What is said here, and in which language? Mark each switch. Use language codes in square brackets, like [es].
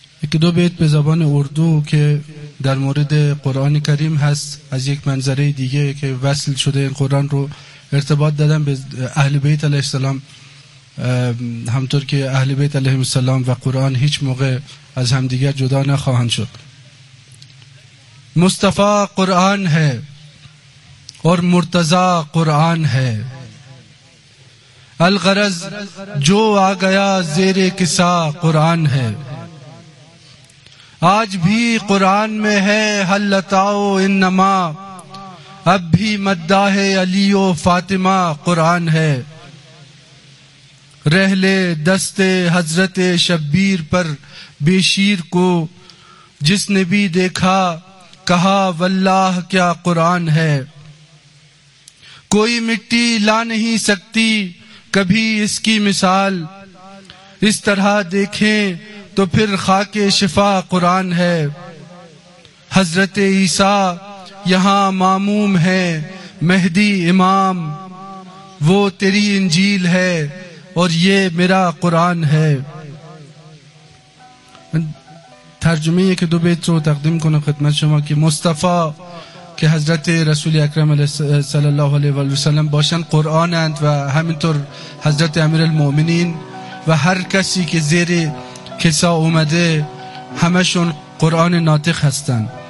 [fa] که دو بیت به زبان اردو که در مورد قرآن کریم هست، از یک منظره دیگه که وصل شده این قرآن رو ارتباط دادم به اهل بیت علیه السلام. همطور که اهل بیت علیه السلام و قرآن هیچ موقع از همدیگر جدا نخواهند شد. [ur] مصطفی قرآن ہے اور مرتضی قرآن ہے، الغرض جو آ گیا زیر کسا قرآن ہے، آج بھی قرآن میں ہے حل لتاؤ انما، اب بھی مداح علی و فاطمہ قرآن ہے، رہلے دست حضرت شبیر پر بشیر کو جس نے بھی دیکھا کہا واللہ کیا قرآن ہے، کوئی مٹی لا نہیں سکتی کبھی اس کی مثال، اس طرح دیکھیں تو پھر خاک شفا قرآن ہے، حضرت عیسیٰ یہاں معموم ہے مہدی امام، وہ تیری انجیل ہے اور یہ میرا قرآن ہے. [fa] ترجمه یک دو بیت رو تقدیم کنم خدمت شما که مصطفی که حضرت رسول اکرم صلی الله علیه و سلم باشن قرآن اند و همینطور حضرت امیرالمومنین و هر کسی که زیر کسا اومده همشون قرآن ناطق هستن.